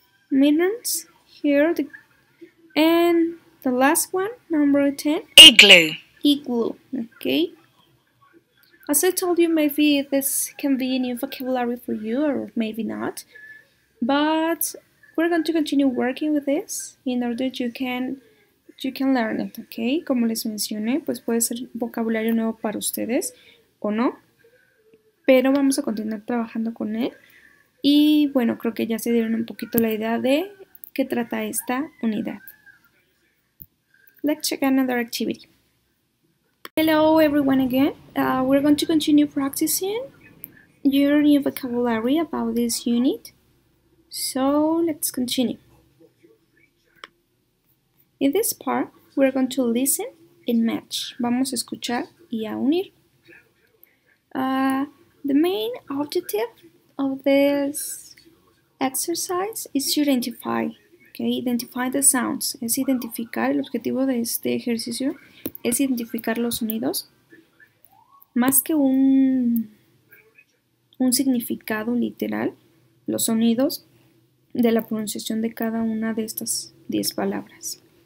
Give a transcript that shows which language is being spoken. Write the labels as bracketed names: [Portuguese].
[English] Mittens, here. And the last one, number 10, igloo. Igloo, okay. As I told you, maybe this can be a new vocabulary for you, or maybe not. But we're going to continue working with this in order you can learn it, okay? [Spanish] Como les mencioné, pues puede ser vocabulario nuevo para ustedes o no. Pero vamos a continuar trabajando con él. Y bueno, creo que ya se dieron un poquito la idea de qué trata esta unidad. [English] Let's check another activity. Hello everyone again. We're going to continue practicing your new vocabulary about this unit. So let's continue. In this part, we're going to listen and match. [Spanish] Vamos a escuchar y a unir. [English] The main objective of this exercise is to identify. Okay, identify the sounds. [Spanish] Es identificar, el objetivo de este ejercicio es identificar los sonidos. Más que un significado literal, los sonidos de la pronunciación de cada una de estas 10 palabras.